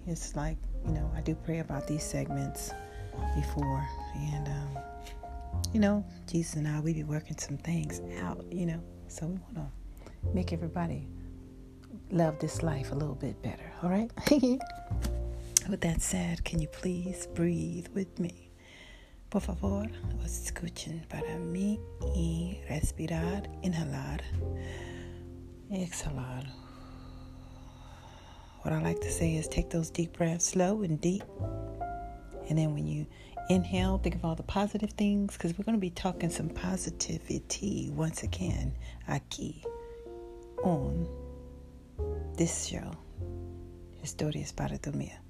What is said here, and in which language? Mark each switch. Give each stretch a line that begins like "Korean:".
English: It's like, you know, I do pray about these segments before. And, you know, Jesus and I, we be working some things out, you know. So we want to make everybody love this life a little bit better, all right? With that said, can you please breathe with me?
Spanish: Por favor, escuchen para mí y respirar, inhalar, exhalar.
English: What I like to say is take those deep breaths slow and deep. And then when you inhale, think of all the positive things, because we're going to be talking some positivity once again aquí on this show, Historias para Dormir.